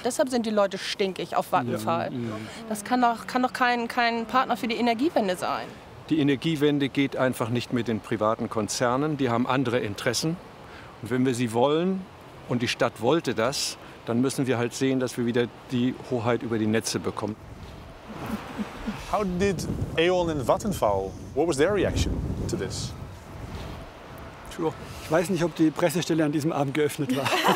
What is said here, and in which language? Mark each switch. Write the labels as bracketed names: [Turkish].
[German] Deshalb sind die Leute stinkig auf Vattenfall. Das kann doch kein Partner für die Energiewende sein. Die Energiewende geht einfach nicht mit den privaten Konzernen. Die haben andere Interessen. Und wenn wir sie wollen, und die Stadt wollte das, dann müssen wir halt sehen, dass wir wieder die Hoheit über die Netze bekommen. [English] How did E.ON and Vattenfall, what was their reaction to this? Sure. [German] Ich weiß nicht, ob die Pressestelle an diesem Abend geöffnet war.